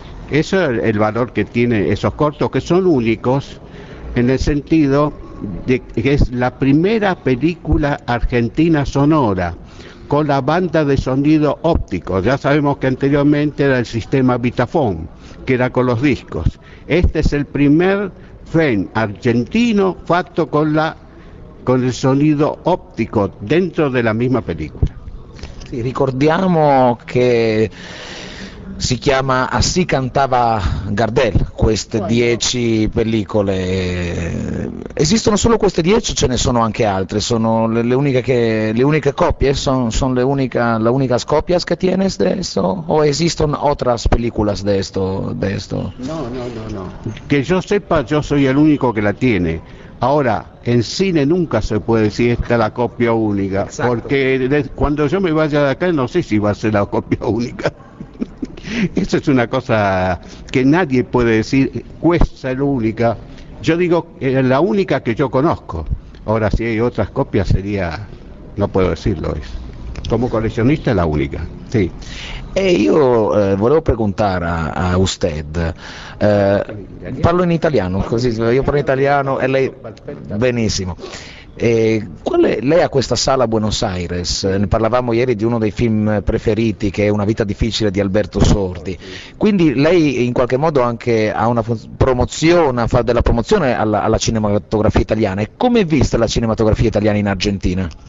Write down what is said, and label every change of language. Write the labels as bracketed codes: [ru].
[es] Eso es el valor que tienen esos cortos, que son únicos en el sentido de que es la primera película argentina sonora con la banda de sonido óptico. Ya sabemos que anteriormente era el sistema Vitaphone, que era con los discos. Este es el primer film argentino facto con la con el sonido óptico dentro de la misma película. [it] Sí, ricordiamo che si chiama Así cantava Gardel, queste 10 pellicole. Esistono solo queste 10 o ce ne sono anche altre? Sono le uniche che le uniche copie son le unica la unica copia che [es] tienes de esto [it] o esistono [es] otras películas de esto No. Que yo sepa, yo soy el único que la tiene. Ahora, en cine nunca se puede decir esta es la copia única, exacto, porque cuando yo me vaya de acá no sé si va a ser la copia única. Eso es una cosa que nadie puede decir, cuesta la única. Yo digo, es la única que yo conozco. Ahora, si hay otras copias, sería, no puedo decirlo. Es, como coleccionista, es la única. Sí. [it] Io volevo preguntare [es] a usted, [it] parlo in italiano, così io parlo in italiano e lei benissimo. Qual è, lei ha questa sala a Buenos Aires, ne parlavamo ieri di uno dei film preferiti che è Una vita difficile di Alberto Sordi, quindi lei in qualche modo anche ha una promozione, fa della promozione alla cinematografia italiana, e come è vista la cinematografia italiana in Argentina?